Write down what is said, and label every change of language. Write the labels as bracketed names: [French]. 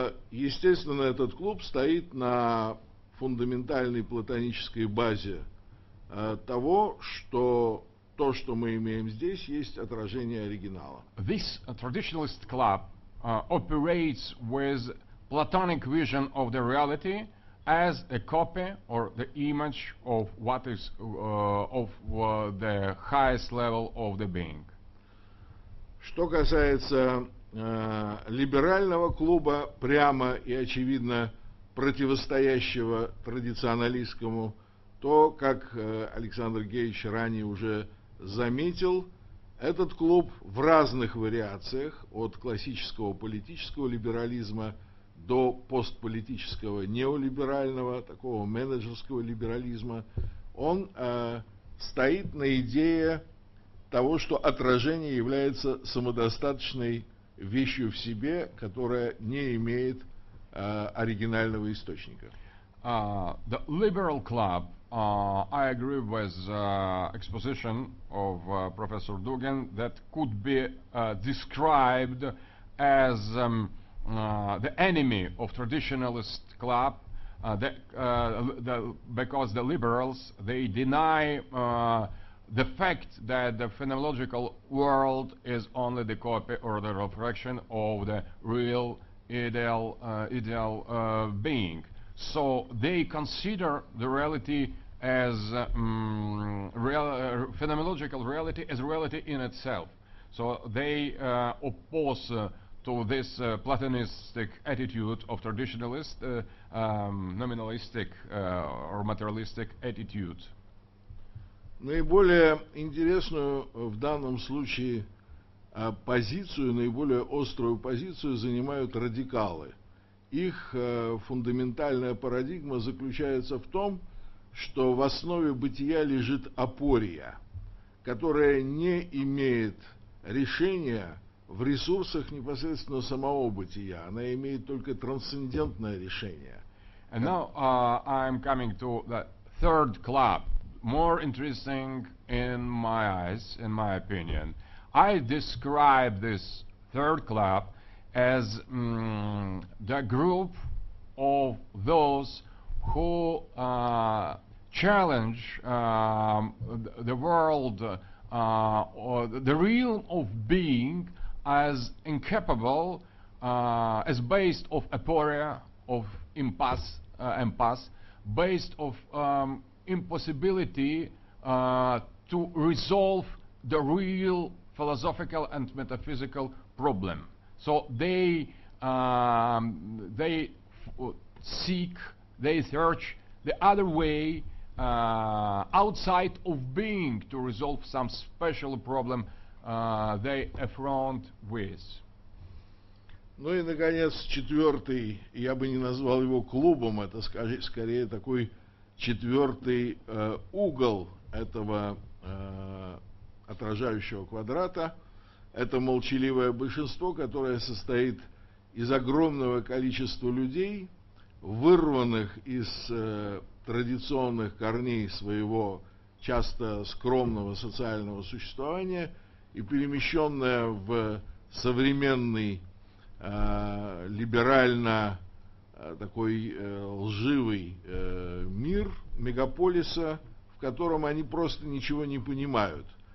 [Russian] Естественно, этот клуб стоит на фундаментальной платонической базе того, что то, что мы имеем здесь, есть отражение оригинала. [English] This traditionalist club operates with platonic vision of the reality as a copy or the image of what is the highest level of the being. [Russian] Что касается либерального клуба, прямо и очевидно противостоящего традиционалистскому, то, как Александр Гейч ранее уже заметил, этот клуб в разных вариациях, от классического политического либерализма до постполитического неолиберального, такого менеджерского либерализма, он стоит на идее того, что отражение является самодостаточной вещью в себе, которая не имеет оригинального источника. [English] The liberal club, I agree with the exposition of Professor Dugin, that could be described as the enemy of traditionalist club, because the liberals, they deny the fact that the phenomenological world is only the copy or the reflection of the real ideal being. So they consider the reality as phenomenological reality as reality in itself. So they oppose to this platonistic attitude of traditionalist, nominalistic or materialistic attitude. [Russian] Наиболее интересную в данном случае позицию, наиболее острую позицию занимают радикалы. Их фундаментальная парадигма заключается в том, что в основе бытия лежит апория, которая не имеет решения в ресурсах непосредственно самого бытия. Она имеет только трансцендентное решение. [English] And now I'm coming to the third club. More interesting in my eyes, in my opinion. I describe this third club as the group of those who challenge the world or the realm of being as incapable, as based of aporia, of impasse, based of impossibility to resolve the real philosophical and metaphysical problem. So they search the other way outside of being to resolve some special problem they affront with. [Russian] Ну и наконец четвертый, я бы не назвал его клубом, это скорее такой четвертый угол этого отражающего квадрата. Это молчаливое большинство, которое состоит из огромного количества людей, вырванных из традиционных корней своего часто скромного социального существования и перемещенное в современный либерально такой лживый мир мегаполиса, в котором они просто ничего не понимают.